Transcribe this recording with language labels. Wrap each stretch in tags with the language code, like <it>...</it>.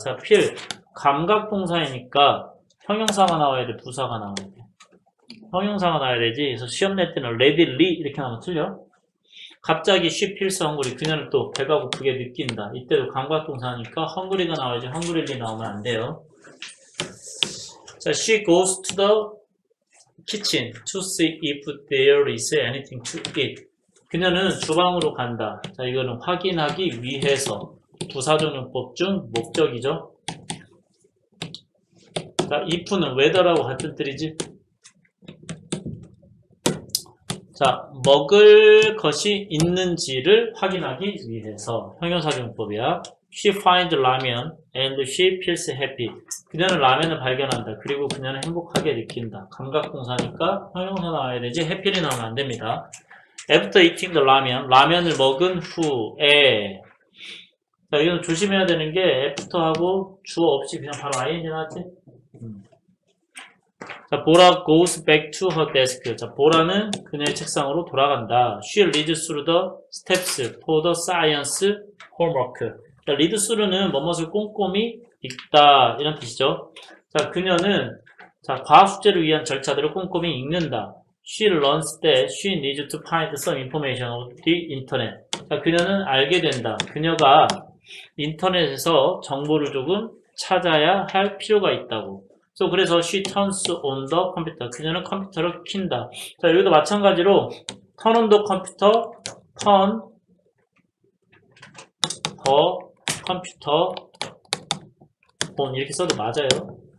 <ko>자, feel 감각 동사이니까 형용사가 나와야 돼. 부사가 나와야 돼. 형용사가 나와야 되지. 그래서 시험 낼 때는 readily 이렇게 하면 틀려. 갑자기</ko> <en>she feels hungry.</en> <ko>그녀는 또 배가 고프게 느낀다. 이때도 감각동사니까 hungry가 나와야지 hungry 나오면 안 돼요.</ko> <en>자, she goes to the kitchen to see if there is anything to eat.</en> <ko>그녀는 주방으로 간다. 자, 이거는 확인하기 위해서 부사적용법 중 목적이죠. 자, if는 whether라고 같은 뜻이지. 자, 먹을 것이 있는지를 확인하기 위해서 형용사용법이야.</ko> <en>She finds ramen and she feels happy.</en> <ko>그녀는 라면을 발견한다. 그리고 그녀는 행복하게 느낀다. 감각동사니까 형용사 나와야 되지 happy 나오면 안 됩니다.</ko> <en>After eating the ramen,</en> <ko>라면을 먹은 후에. 자, 이건 조심해야 되는 게 after 하고 주어 없이 그냥 바로 ing 나왔지.</ko> <en>자, 보라 goes back to her desk.</en> <ko>자, 보라는 그녀의 책상으로 돌아간다.</ko> <en>She reads through the steps for the science homework.</en> <ko>자,</ko> <en>read through</en> <ko>는 무엇을 꼼꼼히 읽다 이런 뜻이죠. 자, 그녀는 자, 과학 숙제를 위한 절차들을 꼼꼼히 읽는다.</ko> <en>She learns that she needs to find some information on the internet.</en> <ko>자, 그녀는 알게 된다. 그녀가 인터넷에서 정보를 조금 찾아야 할 필요가 있다고.</ko> <en>So,</en> <ko>그래서</ko> <en>she turns on the computer.</en> <ko>그녀는 컴퓨터를 킨다. 자, 여기도 마찬가지로</ko> <en>turn on the computer, turn the computer on</en> <ko>이렇게 써도 맞아요.</ko>